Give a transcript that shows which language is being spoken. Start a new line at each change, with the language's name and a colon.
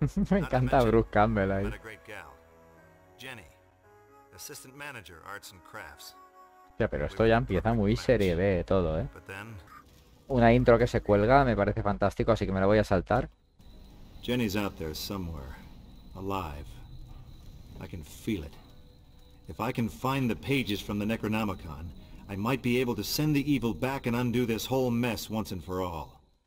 Spanish: Me encanta Bruce Campbell ahí.
English: Jenny, assistant manager, arts and crafts.
Spanish: Pero esto ya empieza muy serie B todo, ¿eh? Una intro que se cuelga, me parece fantástico, así que me la voy a saltar.
English: Jenny's out there somewhere, alive. I can feel it. If I can find the pages from the Necronomicon, I might be able to send the evil back and undo this whole mess once and for all.